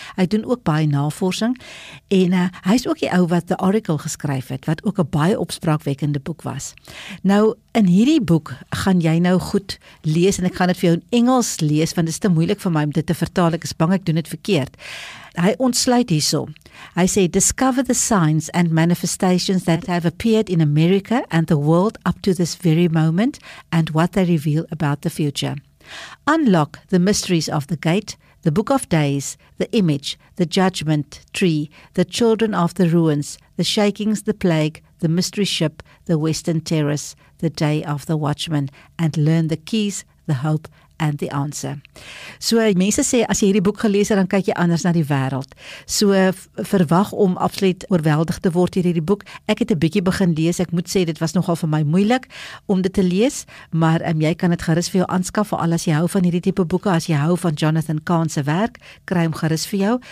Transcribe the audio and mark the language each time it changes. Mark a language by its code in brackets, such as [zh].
[af] Hy doen ook baie navorsing en hy is ook die ou wat The Oracle geskryf het wat ook 'n baie spraakwekkende boek was. Nou, in hierdie boek gaan jy nou goed lees en ek gaan dit vir jou in Engels lees, want dit is te moeilik vir my om dit te vertaal. Ek is bang ek doen dit verkeerd. Hy ontsluit hierso. Hy sê, [en] discover the signs and manifestations that have appeared in America and the world up to this very moment and what they reveal about the future. Unlock the mysteries of the gate, the book of days, the image, the judgment tree, the children of the ruins, the shakings, the plague, the mystery ship, the western terrace, the day of the watchman, and learn the keys, the hope, and the answer. [af] So, mense sê, as jy hierdie boek gelees het, dan kyk jy anders na die wêreld. So, verwag om absoluut oorweldig te word hier hierdie boek. Ek het 'n bietjie begin lees, ek moet sê, dit was nogal vir my moeilik om dit te lees, maar jy kan dit gerus vir jou aanskaf, veral as jy hou van hierdie tipe boeke, as jy hou van Jonathan Kahn se werk, kry hom gerus vir jou.